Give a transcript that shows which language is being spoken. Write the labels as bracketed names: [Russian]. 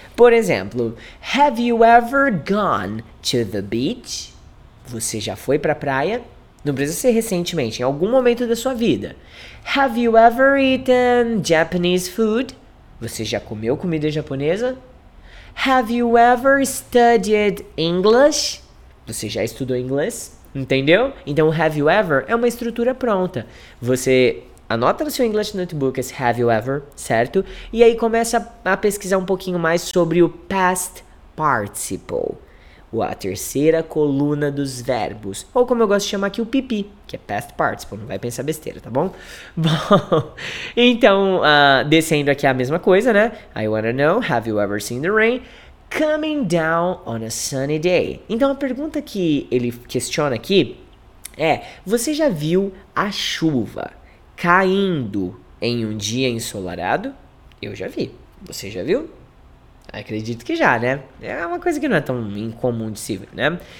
[Portuguese] Por exemplo, [English] have you ever gone to the beach? [Portuguese] Você já foi pra praia? Não precisa ser recentemente, em algum momento da sua vida. [English] Have you ever eaten Japanese food? [Portuguese] Você já comeu comida japonesa? [English] Have you ever studied English? [Portuguese] Você já estudou inglês? Entendeu? Então, [English] have you ever [Portuguese] é uma estrutura pronta. Você anota no seu English Notebook esse have you ever, certo? E aí começa a pesquisar um pouquinho mais sobre o past participle. A terceira coluna dos verbos. Ou como eu gosto de chamar aqui, o pipi. Que é past participle, não vai pensar besteira, tá bom? Bom, então, descendo aqui a mesma coisa, né? [English] I wanna know, have you ever seen the rain? Coming down on a sunny day. [Portuguese] Então, a pergunta que ele questiona aqui é, você já viu a chuva caindo em um dia ensolarado? Eu já vi. Você já viu? Acredito que já, né? É uma coisa que não é tão incomum de se ver, né?